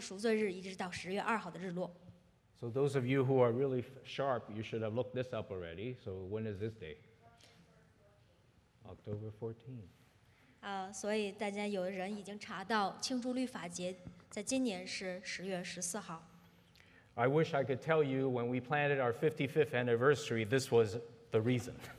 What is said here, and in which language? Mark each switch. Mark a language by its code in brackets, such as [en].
[zh] 大家也看到为什么就是这个无论是犹太新年还是赎罪日都是两天比如九月二十二到二十四十月一号到十月二号那是因为犹太人他们的这个一天的算法是从那一天的日落开始前天的日落开始十月一号日落开始赎罪日一直到十月二号的日落 [en] So those of you who are really sharp, you should have looked this up already. So when is this day? October 14th. [zh] 所以大家有人已经查到庆祝律法节在今年是10月14号 [en] I wish I could tell you when we planted our 55th anniversary, this was the reason.